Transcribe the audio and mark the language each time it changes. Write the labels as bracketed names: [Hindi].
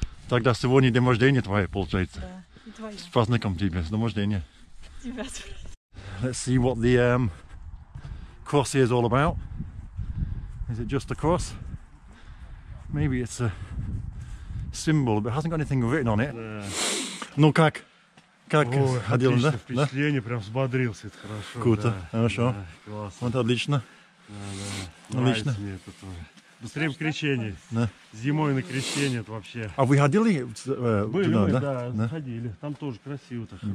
[Russian] Тогда сегодня день рождения твоего, получается. Да, и твоего. С праздником тебе, с днем рождения. Тебя с праздником. [English] Let's see what the cross here is all about. Is it just a cross? Maybe it's a symbol, but it hasn't got anything written on it. [Russian] Ну как? Как ходил, да? Впечатление, прям взбодрился, это хорошо. Круто, хорошо. Классно. Вот отлично. Да, да. Отлично. Быстрее в крещение. Да. Зимой на крещение, это вообще. А вы ходили туда, да? Были мы, да, ходили. Там тоже красиво, так хорошо.